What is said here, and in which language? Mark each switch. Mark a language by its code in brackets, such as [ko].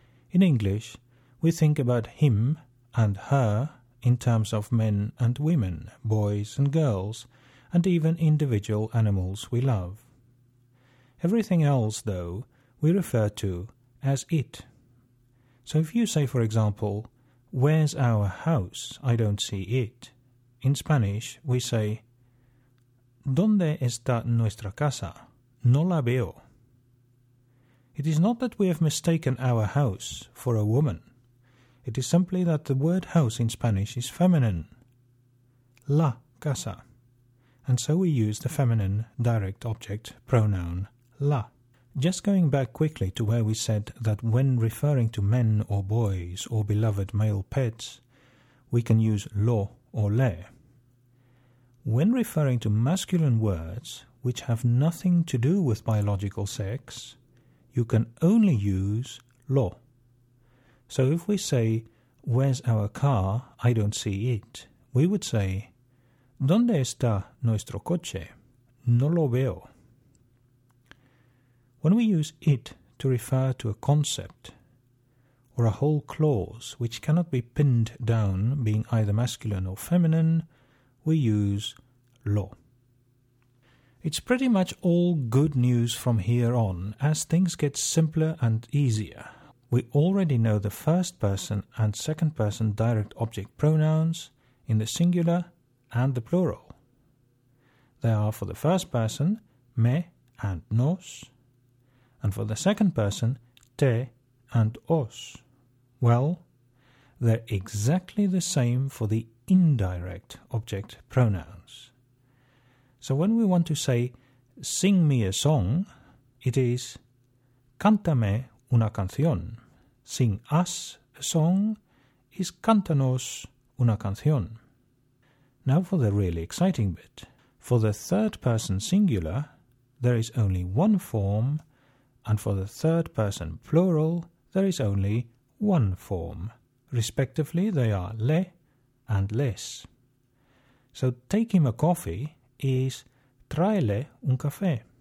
[en] In English, we think about him and her in terms of men and women, boys and girls, and even individual animals we love. Everything else, though, we refer to as it. So if you say, for example, where's our house? I don't see it. In Spanish, we say, [es] ¿dónde está nuestra casa? No la veo. [en] It is not that we have mistaken our house for a woman. It is simply that the word house in Spanish is feminine. La casa. And so we use the feminine direct object pronoun la. Just going back quickly to where we said that when referring to men or boys or beloved male pets, we can use lo or le. When referring to masculine words which have nothing to do with biological sex, you can only use lo. So if we say, where's our car? I don't see it. We would say, [es] ¿dónde está nuestro coche? No lo veo. [en] When we use it to refer to a concept or a whole clause which cannot be pinned down being either masculine or feminine, we use lo. It's pretty much all good news from here on as things get simpler and easier. We already know the first person and second person direct object pronouns in the singular and the plural. They are for the first person, me and nos, and for the second person, te and os. Well, they're exactly the same for the indirect object pronouns. So when we want to say, sing me a song, it is, [es] cántame una canción. [en] Sing us a song is [es] cántanos una canción. [en] Now for the really exciting bit. For the third person singular, there is only one form, and for the third person plural, there is only one form. Respectively, they are le and les. So take him a coffee is [es] traele un caffè.